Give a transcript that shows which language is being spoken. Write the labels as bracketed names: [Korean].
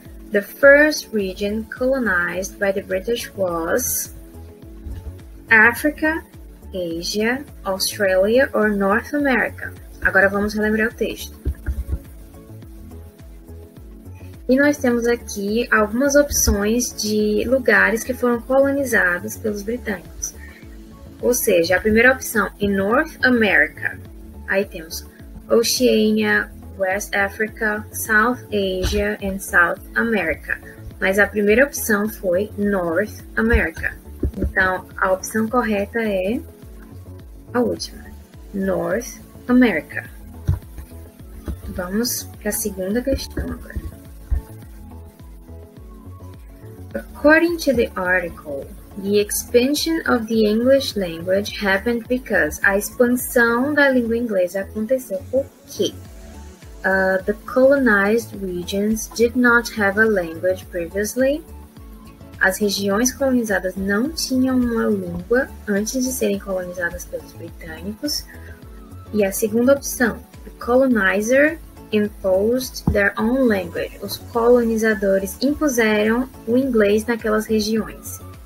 [English] The first region colonized by the British was Africa, Asia, Australia or North America. [Portuguese] Agora vamos relembrar o texto. E nós temos aqui algumas opções de lugares que foram colonizados pelos britânicos. Ou seja, a primeira opção em North America. Aí temos Oceania, West Africa, South Asia and South America. Mas a primeira opção foi North America. Então, a opção correta é a última, North America. Vamos para a segunda questão agora. [English] According to the article, the expansion of the English language happened because [Portuguese] a expansão da língua inglesa aconteceu por quê? [English] The colonized regions did not have a language previously. [Portuguese] As regiões colonizadas não tinham uma língua antes de serem colonizadas pelos britânicos. E a segunda opção, [English] the colonizer imposed their own language. [Portuguese] Os colonizadores impuseram o inglês naquelas regiões.